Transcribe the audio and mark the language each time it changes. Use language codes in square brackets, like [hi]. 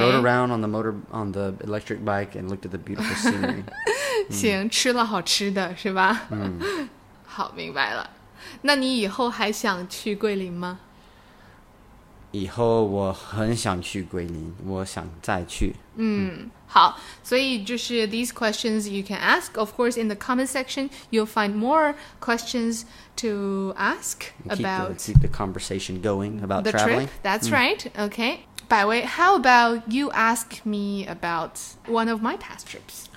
[en] Rode around on the motor on the electric bike and looked at the beautiful scenery. [zh] 行，吃了好吃的是吧？嗯，好，明白了。那你以后还想去桂林吗？以后我很想去桂林，我想再去。 [en] 嗯，好。 [zh] 所以就是 [en] these questions you can ask. Of course, in the comment section, you'll find more questions to ask about. Keep the conversation going about the traveling. Trip, that's right. Okay. By way, how about you ask me about one of my past trips?